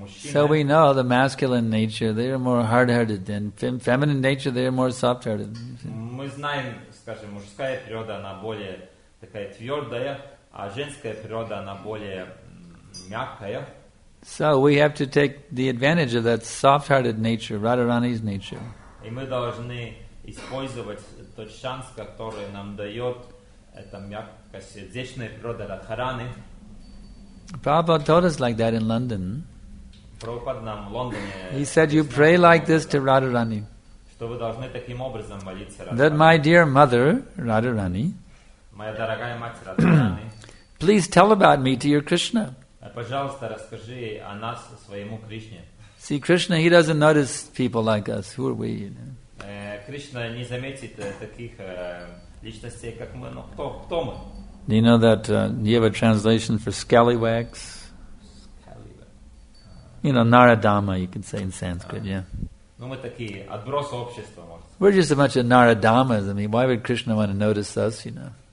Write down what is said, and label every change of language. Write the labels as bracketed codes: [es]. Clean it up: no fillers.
[en] So we know the masculine nature, they are more hard-hearted, than feminine nature, they are more soft-hearted. [ru] Мы знаем, скажем, мужская природа, она более такая твердая, а женская природа, она более мягкая. [en] So we have to take the advantage of that soft-hearted nature, Radharani's nature. [ru] И мы должны использовать тот шанс, который нам дает эта мягкая сердечная природа Радхарани. [en] Prabhupada told us like that in London. [ru] Prabhupada нам в Лондоне. [en] He said, "You pray like this to Radharani." [ru] Что вы должны таким образом молиться [en] Радхарани. That my dear mother, Radharani. [ru] Моя дорогая мать Радхарани. [en] Please tell about me to your Krishna. [ru] Пожалуйста, расскажи о нас своему Кришне. [en] See, Krishna, he doesn't notice people like us. Who are we? [ru] Кришна не заметит таких личностей, как мы. Но кто? Кто мы? [en] Do you know that you have a translation for scallywags? You know, Naradama, you could say in Sanskrit, yeah. We're just a bunch of Naradamas. I mean, why would Krishna want to notice us, you know?